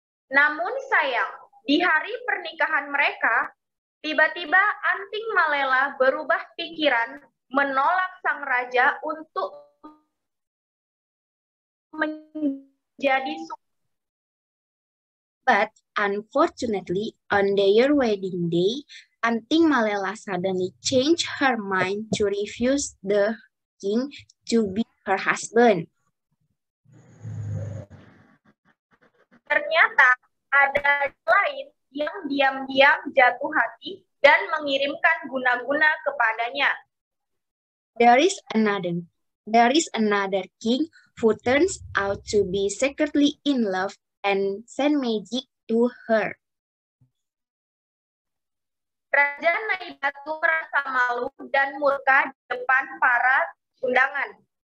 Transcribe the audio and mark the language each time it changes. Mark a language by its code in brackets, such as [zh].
[id] Namun sayang, di hari pernikahan mereka, tiba-tiba Anting Malela berubah pikiran, menolak sang raja untuk menjadi [en] But unfortunately, on their wedding day, Anting Malela suddenly changed her mind to refuse the king to be her husband. [id] Ternyata ada lain yang diam-diam jatuh hati dan mengirimkan guna-guna kepadanya. [en] There is another king who turns out to be secretly in love and send magic to her. [id] Raja Naibatu merasa malu dan murka di depan para undangan.